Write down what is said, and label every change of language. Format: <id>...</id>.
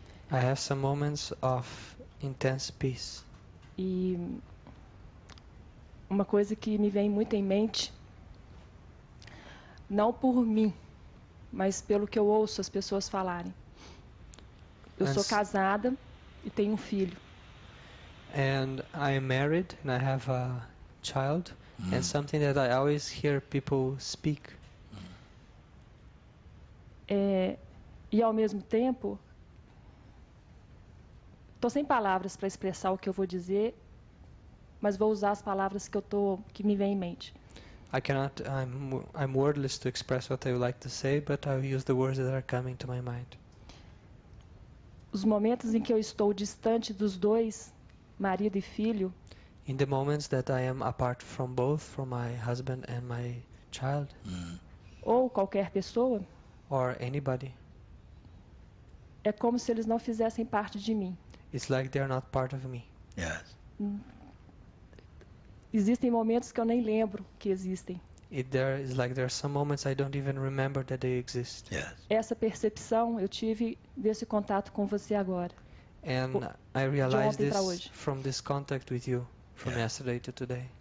<en>I have some moments of intense peace.</en> <pt>E uma coisa que me vem muito em mente, não por mim, mas pelo que eu ouço as pessoas falarem. Eu sou casada. e tenho um filho.</pt> <en>And I am married and I have a child. Mm. And something that I always hear people speak.</en> <pt>E ao mesmo tempo, estou sem palavras para expressar o que eu vou dizer, mas vou usar as palavras que me vêm em mente.</pt> <en>I cannot, I'm wordless to express what I would like to say, but I will use the words that are coming to my mind.</en> <pt>Os momentos em que eu estou distante dos dois, marido e filho.</pt> <en>In the moments that I am apart from both, from my husband and my child.</en> <pt>Mm. Ou qualquer pessoa.</pt> <en>Or anybody.</en> <pt>É como se eles não fizessem parte de mim.</pt> <en>It's like they are not part of me. Yes.</en> <pt>Existem momentos que eu nem lembro que existem.</pt> <en>There is like there are some moments I don't even remember that they exist. Yes.</en> <pt>Essa percepção eu tive desse contato com você agora.</pt> <en>And I realized this from this contact with you from yesterday to today.</en>